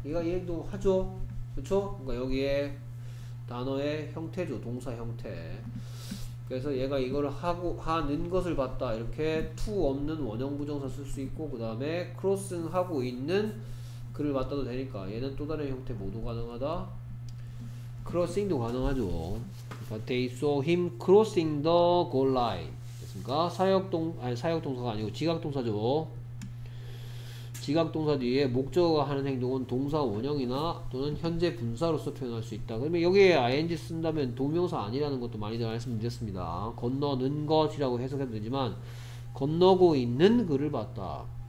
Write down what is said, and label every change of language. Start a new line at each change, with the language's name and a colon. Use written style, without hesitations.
Korean: 얘가 얘도 하죠. 그쵸? 그러니까 여기에 단어의 형태죠. 동사 형태. 그래서 얘가 이걸 하는 것을 봤다. 이렇게 to 없는 원형 부정사 쓸 수 있고, 그 다음에 crossing 하고 있는 글을 봤다도 되니까 얘는 또 다른 형태 모두 가능하다. crossing도 가능하죠.
English: But they saw him crossing the goal line.
Korean: 됐습니까? 사역동사가 아니고 지각동사죠. 지각동사 뒤에 목적어가 하는 행동은 동사 원형이나 또는 현재 분사로서 표현할 수 있다. 그러면 여기에 ing 쓴다면 동명사 아니라는 것도 많이 말씀드렸습니다. 건너는 것이라고 해석해도 되지만 건너고 있는 글을 봤다.